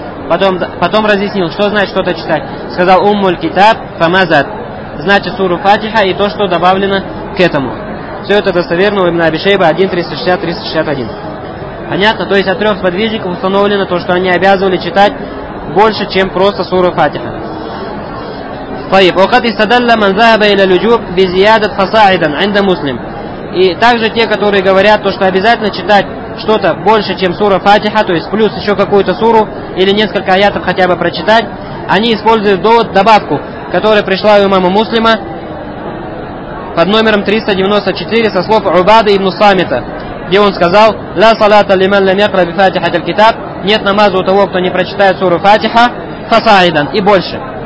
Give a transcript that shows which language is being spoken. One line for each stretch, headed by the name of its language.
Russian: Потом разъяснил, что значит что-то читать. Сказал
Arabic: уммуль китаб фамазат.
Russian: Значит суру Фатиха и то, что добавлено к этому. Все это достоверно у Ибн Аби Шейба 1-360-361. Понятно? То есть от трех сподвижников установлено то, что они обязывали читать больше, чем просто суру Фатиха.
Arabic: طيب وقد استدل من ذهب الى الوجوب بزياده فصاعدا عند مسلم.
Russian: И также те, которые говорят то, что обязательно читать что-то больше, чем сура Фатиха, то есть плюс еще какую-то суру или несколько аятов хотя бы прочитать, они используют довод добавку, которая пришла у имама Муслима под номером 394 со слов Убады ибн Самита, где он сказал:
Arabic: "Ла салата лиман лям якра би фатиха аль-китаб",
Russian: нет намаза у того, кто не прочитает суру Фатиха
Arabic: фасаидан
Russian: и больше.